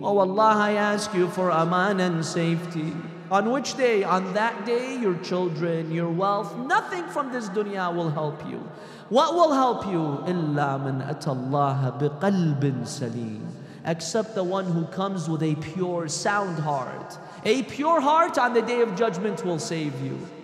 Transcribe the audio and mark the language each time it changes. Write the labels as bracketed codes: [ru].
[en] Oh Allah, I ask you for aman and safety. On which day? On that day, your children, your wealth, nothing from this dunya will help you. What will help you? [ar] إِلَّا مَنْ أَتَى اللَّهَ بِقَلْبٍ سَلِيمٍ. [en] except the one who comes with a pure, sound heart. A pure heart on the day of judgment will save you.